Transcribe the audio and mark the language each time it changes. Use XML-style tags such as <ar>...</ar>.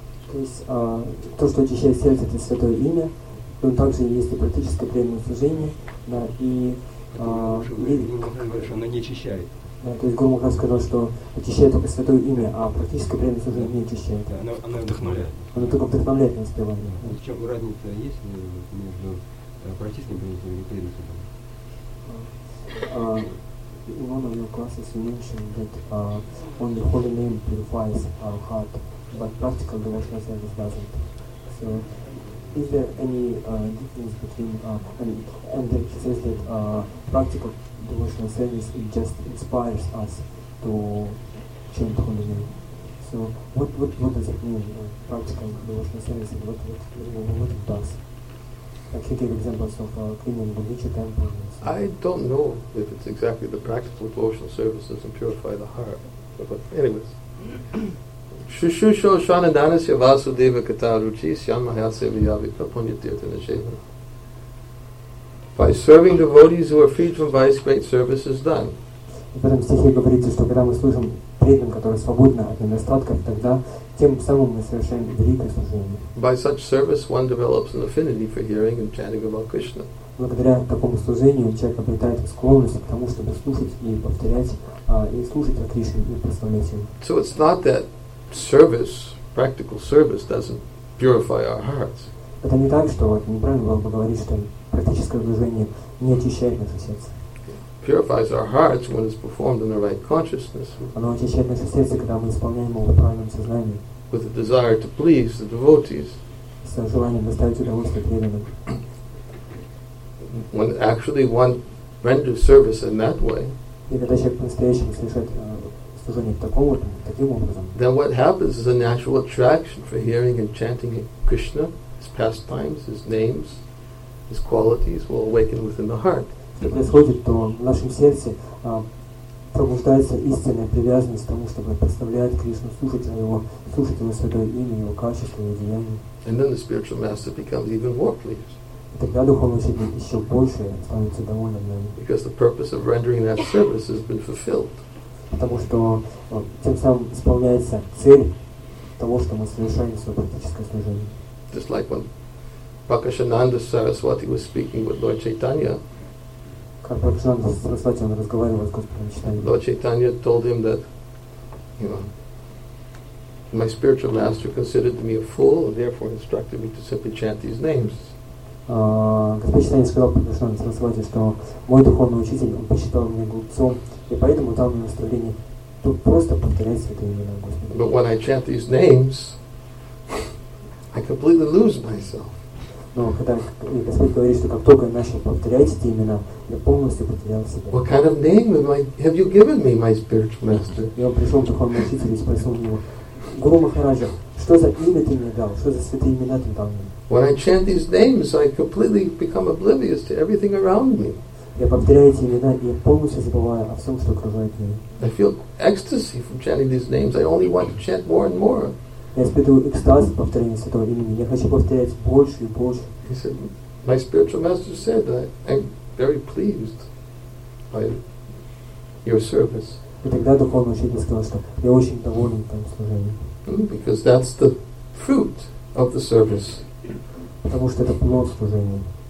<ru>То есть то, что очищает сердце, это святое имя, но также есть и практическое преданное служение, да, и оно не очищает. Да, то есть Гуру Махарадж сказал, что очищает только святое имя, а практическое преданное служение не очищает. Да, оно вдохновляет. Оно только вдохновляет на спевание. Да. Вот в чем разница есть между практическим преданным и преданным служением?</ru> <en>One of your classes you mentioned that only holy name purifies our heart, but practical devotional service doesn't. So, is there any difference between, and it says that practical devotional service, it just inspires us to chant holy name. So, what does it mean, practical devotional service, and what it does? Like he gave examples of cleaning the Bodhicitta temple. I don't know if it's exactly the practical devotional service doesn't purify the heart, but anyways.</en> <sa>Shushusho shanadanasya vasudeva kataruchi syanmahasevyavika punyatirtanasheva.</sa> <en>By serving devotees who are freed from vice, great service is done.</en> <ru>В этом стихе говорится, что когда мы служим преданным, которые свободны от недостатков, тогда тем самым мы совершаем великое служение.</ru> <en>By such service one develops an affinity for hearing and chanting about Krishna.</en> <ru>Благодаря такому служению человек обретает склонность к тому, чтобы слушать и повторять, и слушать о Кришне и прославлять Его.</ru> <en>So it's not that service, practical service, doesn't purify our hearts.</en> <ru>Это не так, что вот, неправильно было бы говорить, что практическое служение не очищает наше сердце.</ru> <en>It purifies our hearts when it's performed in the right consciousness.</en> <ru>Оно очищает наше сердце, когда мы исполняем его в правильном сознании.</ru> <en>With a desire to please the devotees.</en> <ru>С желанием доставить удовольствие преданным.</ru> <en>When actually one renders service in that way, then what happens is a natural attraction for hearing and chanting Krishna, his pastimes, his names, his qualities will awaken within the heart.</en> <ru>Пробуждается истинная привязанность к тому, чтобы представлять Кришну, слушать его святое имя, его качества, его деяния.</ru> <en>And then the spiritual master becomes even more pleased.</en> <ru>Тогда духовный учитель еще больше становится довольным нами.</ru> <en>Because the purpose of rendering that service has been fulfilled.</en> <ru>Потому что тем самым исполняется цель того, что мы совершаем свое практическое служение.</ru> <en>Just like when Pakashananda Saraswati was speaking with Lord Chaitanya.</en> <ru>Как Пакашананда Сарасвати разговаривал с Господом Чайтаньей.</ru> <en>Lord Chaitanya told him that, my spiritual master considered me a fool, and therefore instructed me to simply chant these names.</en> <ru>Господин Читанец сказал, когда с вами станцевать, что мой духовный учитель, он посчитал меня глупцом, и поэтому дал мне наставление. Тут просто повторять это имя Господа.</ru> <en>But when I chant these names, I completely lose myself.</en> <ru>Но когда Господь говорит, что как только я начал повторять эти имена, я полностью потерял себя.</ru> <en>What kind of name have you given me, my spiritual master?</en> <ru>Я пришел к духовному учителю и спросил у него, Гуру Махараджа, что за имя ты мне дал? Что за святые имена ты дал мне?</ru> <en>When I chant these names, I completely become oblivious to everything around me.</en> <ru>Я повторяю эти имена, и я полностью забываю о всем, что окружает меня.</ru> <en>I feel ecstasy from chanting these names. I only want to chant more and more.</en> <ru>Я испытываю экстаз от повторения святого имени. Я хочу повторять больше и больше.</ru> <en>He said, my spiritual master said that I'm very pleased by your service.</en> <ru>И тогда духовный учитель сказал, что я очень доволен твоим служением.</ru> <en>Because that's the fruit of the service.</en> <ru>Потому что это плод служения.</ru>